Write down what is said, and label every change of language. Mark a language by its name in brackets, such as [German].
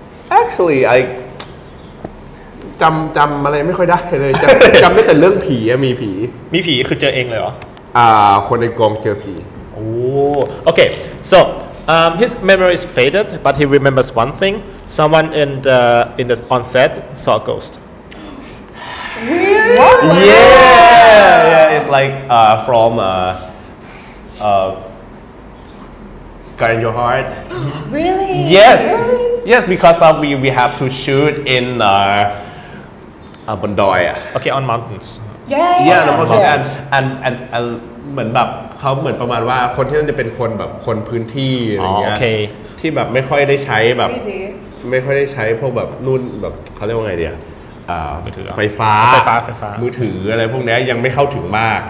[English] Actually, I [Thai] จำอะไรไม่ค่อยได้เลยจำได้แต่เรื่องผีมีผี มีผีคือเจอเองเลยเหรอ คนในกองเจอผี โอ้โอเค [English] so his memory is faded but he remembers one thing someone in the on set saw a ghost really yeah it's like from Sky in Your Heart. Really? Yes. Really? Yes, because we have to shoot in Bondoy. Okay, on mountains. Yeah. Yeah, on the mountains. And [Thai] เหมือนแบบเขาเหมือนประมาณว่าคนที่นั่นจะเป็นคนแบบคนพื้นที่อะไรเงี้ย โอเค ที่แบบไม่ค่อยได้ใช้แบบไม่ค่อยได้ใช้พวกแบบนู่นแบบเขาเรียกว่าไงดี ไฟฟ้า ไฟฟ้ามือถืออะไรพวกนี้ยังไม่เข้าถึงมาก